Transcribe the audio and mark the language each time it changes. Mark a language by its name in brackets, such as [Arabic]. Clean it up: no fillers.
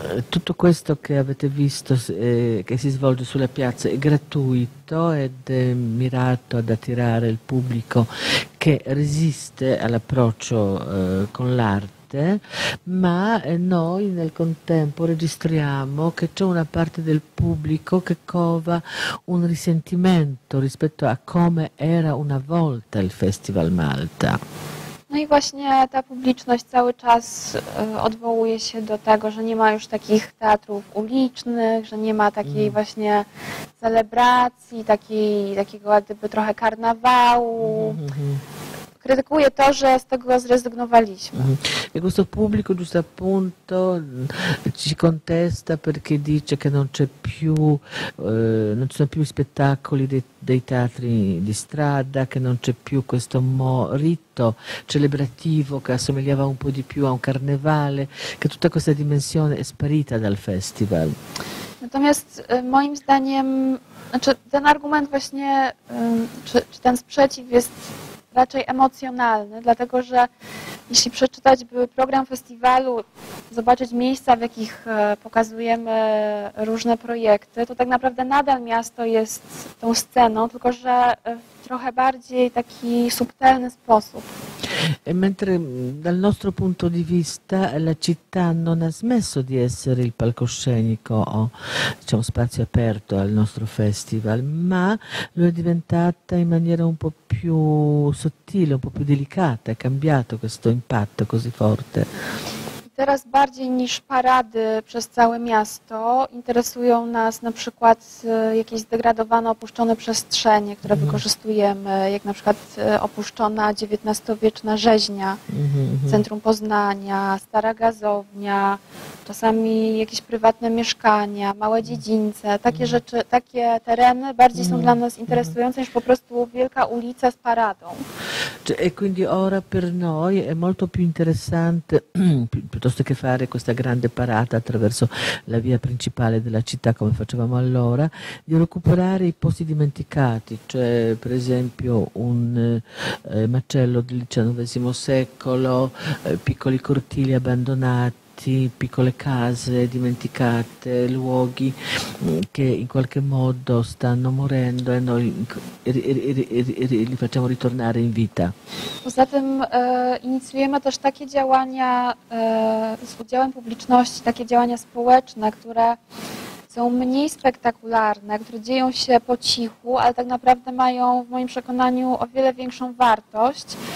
[Italian] Tutto questo che avete visto, che si svolge sulla piazza, è gratuito ed è mirato ad attirare il pubblico che resiste all'approccio con l'arte, ma noi nel contempo registriamo che c'è una parte del pubblico che cova un risentimento rispetto a come era una volta il Festival Malta. [Polish] No i właśnie ta publiczność cały czas odwołuje się do tego, że nie ma już takich teatrów ulicznych, że nie ma takiej właśnie celebracji, takiego jak gdyby trochę karnawału. Critico to che da questo resignovaliśmy. [Italian] E questo pubblico giusto appunto ci contesta perché dice che non c'è più non ci sono più spettacoli dei teatri di strada, che non c'è più questo rito celebrativo che assomigliava un po' di più a un carnevale, che tutta questa dimensione è sparita dal festival. [Polish] Natomiast moim zdaniem, znaczy ten argument właśnie czy ten sprzeciw jest raczej emocjonalny, dlatego że jeśli przeczytać by program festiwalu, zobaczyć miejsca, w jakich pokazujemy różne projekty, to tak naprawdę nadal miasto jest tą sceną, tylko że w trochę bardziej taki subtelny sposób. [Italian] E mentre dal nostro punto di vista la città non ha smesso di essere il palcoscenico o diciamo, spazio aperto al nostro festival, ma lo è diventata in maniera un po' più sottile, un po' più delicata, è cambiato questo impatto così forte. [Polish] Teraz bardziej niż parady przez całe miasto interesują nas na przykład jakieś zdegradowane, opuszczone przestrzenie, które wykorzystujemy, jak na przykład opuszczona XIX-wieczna rzeźnia, centrum Poznania, stara gazownia, czasami jakieś prywatne mieszkania, małe dziedzińce, takie rzeczy, takie tereny bardziej są dla nas interesujące niż po prostu wielka ulica z paradą. [Italian] E quindi ora per noi è molto più interessante piuttosto che fare questa grande parata attraverso la via principale della città come facevamo allora, di recuperare i posti dimenticati, cioè per esempio un macello del XIX secolo, piccoli cortili abbandonati, piccole case dimenticate, luoghi che in qualche modo stanno morendo e noi li facciamo ritornare in vita. [Polish] Poza tym inizujemy też takie działania z udziałem publiczności, takie działania społeczne, które są mniej spektakularne, które dzieją się po cichu, ale tak naprawdę mają w moim przekonaniu o wiele większą wartość.